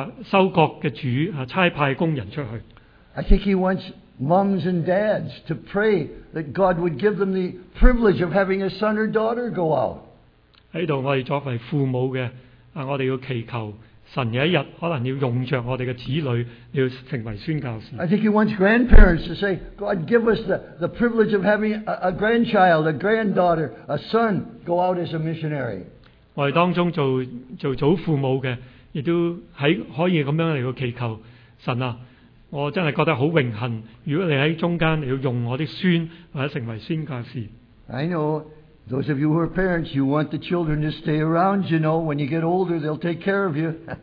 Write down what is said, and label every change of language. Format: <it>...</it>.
<zh>这里我们可以求差派这个庄稼收割的主差派工人出去。</zh> <en>I think he wants moms and dads to pray that God would give them the privilege of having a son or daughter go out.</en> <zh>在这里我们作为父母的，我们要祈求神有一天可能要用着我们的子女，要成为宣教士。</zh> <en>I think he wants grandparents to say, God give us the privilege of having a grandchild, a granddaughter, a son go out as a missionary.</en> <zh>我们当中做祖父母的，也都可以这样来祈求神啊。我真的觉得很荣幸，如果你在中间，你要用我的孙或者成为宣教士。</zh> <en>I know those of you who are parents, you want the children to stay around. You know, when you get older, they'll take care of you.</en>